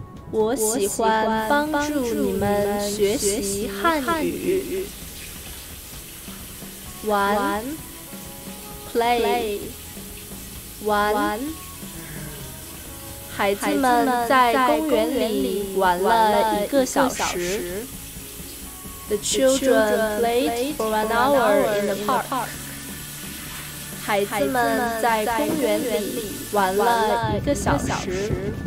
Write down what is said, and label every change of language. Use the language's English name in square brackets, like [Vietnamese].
[Chinese] 我喜欢帮助你们学习汉语。玩 [English] play [Chinese] 玩孩子们在公园里玩了一个小时。 [English] The children played for an hour in the park. [Chinese] 孩子们在公园里玩了一个小时。